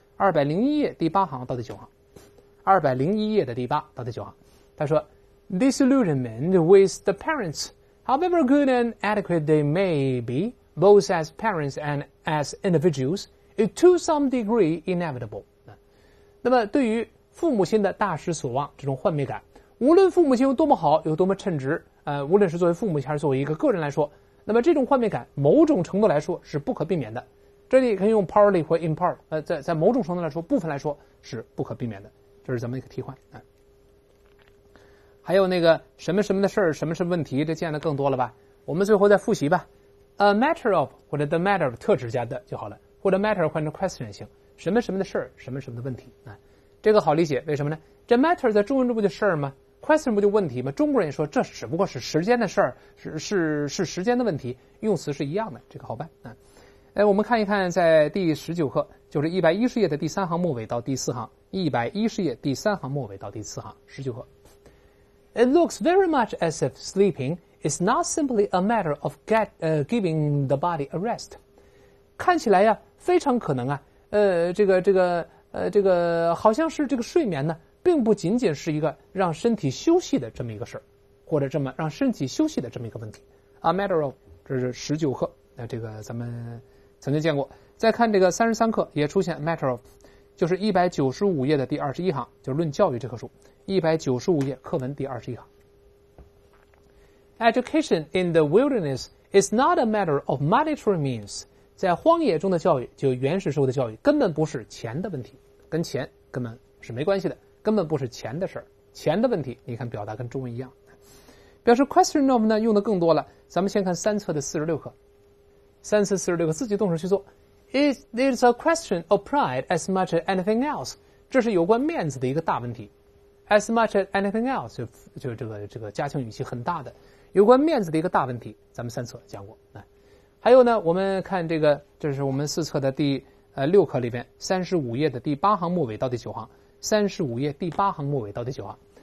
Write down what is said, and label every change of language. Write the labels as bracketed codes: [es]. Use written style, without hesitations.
[en] 201页第8行到第9行，201页的第8到第9行，他说 Disillusionment with the parents, however good and adequate they may be, both as parents and as individuals, is to some degree inevitable. [zh] 那么对于父母亲的大失所望这种幻灭感，无论父母亲有多么好，有多么称职，无论是作为父母亲还是作为一个个人来说，那么这种幻灭感某种程度来说是不可避免的。这里可以用 partly 或 in part， 在某种程度来说，部分来说是不可避免的，这是咱们一个替换。还有那个什么什么的事儿，什么什么问题，这见的更多了吧？我们最后再复习吧。 A matter of 或者 the matter of 特指加的就好了，或者 matter 换成 question 性，什么什么的事儿，什么什么的问题啊？这个好理解，为什么呢？这 matter 在中文中不就事儿吗 ？question 不就问题吗？中国人也说这只不过是时间的事儿，是时间的问题，用词是一样的，这个好办啊。我们看一看在第19课，就是110页的第3行末尾到第4行，110页第3行末尾到第4行，19课。 [en] It looks very much as if sleeping is not simply a matter of giving the body a rest. [zh] 看起来呀，非常可能啊，这个好像是这个睡眠呢，并不仅仅是一个让身体休息的这么一个事，或者这么让身体休息的这么一个问题。 A matter of, 这是19课，这个咱们曾经见过，再看这个33课也出现 matter of， 就是195页的第21行，就是论教育这棵树，195页课文第21行。 Education in the wilderness is not a matter of monetary means，在荒野中的教育，就原始社会的教育，根本不是钱的问题，跟钱根本是没关系的，根本不是钱的事，钱的问题，你看表达跟中文一样。表示 question of 呢用的更多了，咱们先看三册的46课，三次四十六个自己动手去做。 [en] It's a question of pride as much as anything else. [zh] 这是有关面子的一个大问题。 As much as anything else, 就这个加强语气很大的。有关面子的一个大问题，咱们三次讲过。还有呢，我们看这个，这是我们四册的第六课里边35页的第八行末尾到第九行，35页第八行末尾到第九行。